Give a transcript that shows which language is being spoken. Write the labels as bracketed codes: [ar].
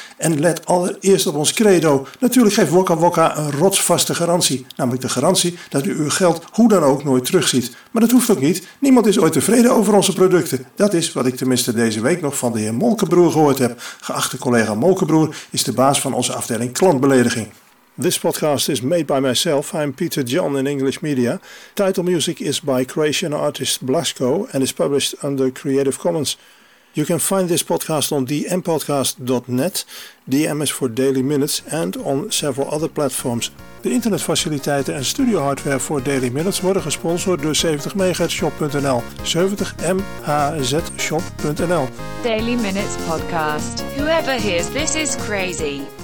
[nl] En let allereerst op ons credo. Natuurlijk geeft Wokka Wokka een rotsvaste garantie, namelijk de garantie dat u uw geld hoe dan ook nooit terugziet. Maar dat hoeft ook niet, niemand is ooit tevreden over onze producten. Dat is wat ik tenminste deze week nog van de heer Molkenbroer gehoord heb. Geachte collega Molkenbroer is de baas van onze afdeling. En klantbelediging. [en] This podcast is made by myself. I'm Peter John in English Media. Title music is by Croatian artist Blasco and is published under Creative Commons. You can find this podcast on dmpodcast.net, DM is for Daily Minutes, and on several other platforms. [nl] De internetfaciliteiten en studio hardware voor Daily Minutes worden gesponsord door 70MHzShop.nl, 70MHzShop.nl. [en] Daily Minutes Podcast. Whoever hears this is crazy.